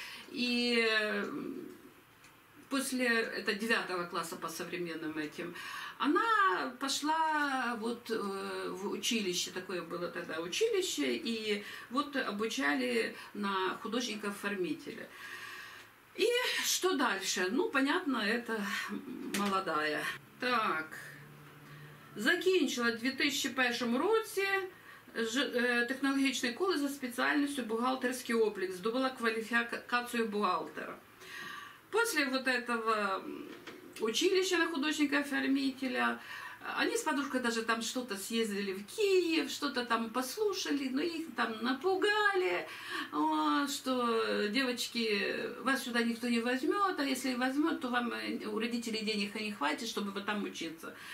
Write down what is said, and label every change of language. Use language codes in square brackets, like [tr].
[ru] И после, это 9 класса по современным этим, она пошла вот в училище, такое было тогда училище, и вот обучали на художника-оформителя. И что дальше? Ну, понятно, это молодая. [uk] Так, закінчила в 2001 році технологічний коледж за спеціальністю бухгалтерський облік, здобула кваліфікацію бухгалтера. Після [ru] вот этого училища на художника-оформителя, они с подружкой даже там что-то съездили в Киев, что-то там послушали, но их там напугали, что девочки, вас сюда никто не возьмет, а если возьмет, то вам у родителей денег не хватит, чтобы вот там учиться.